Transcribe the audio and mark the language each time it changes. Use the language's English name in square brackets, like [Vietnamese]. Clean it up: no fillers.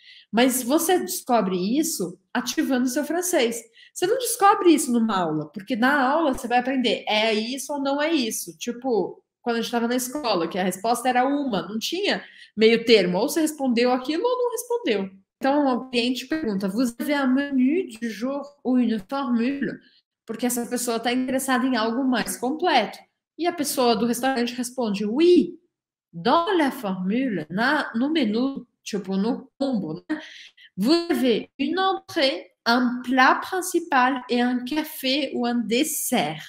[Portuguese] Mas você descobre isso ativando o seu francês. Você não descobre isso numa aula, porque na aula você vai aprender é isso ou não é isso. Tipo, quando a gente estava na escola, que a resposta era uma, não tinha meio termo. Ou você respondeu aquilo ou não respondeu. Então, o cliente pergunta: [French] Vous avez un menu du jour ou une formule? [Portuguese] Porque essa pessoa está interessada em algo mais completo. E a pessoa do restaurante responde: [French] Oui, dans la formule, [Portuguese] no menu, tipo, no combo, né? [French] Vous avez une entrée. Um plat principal e um café ou um dessert.